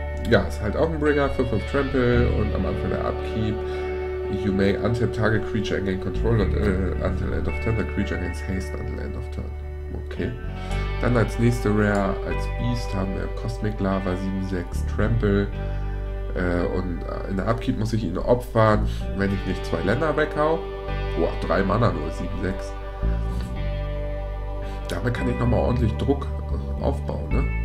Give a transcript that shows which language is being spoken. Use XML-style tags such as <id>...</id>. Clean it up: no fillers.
<de>Ja, ist halt auch ein Bringer, 5 Trample und am Anfang der Upkeep.</de> <en>You may untap target creature and gain control und, until end of turn. The creature gains haste until end of turn. Okay.</en> <de>Dann als nächste Rare, als Beast, haben wir Cosmic Lava, 7-6 Trample. Und in der Upkeep muss ich ihn opfern, wenn ich nicht 2 Länder weghau. Boah, 3 Mana nur, 7-6. Damit kann ich nochmal ordentlich Druck aufbauen, ne?</de>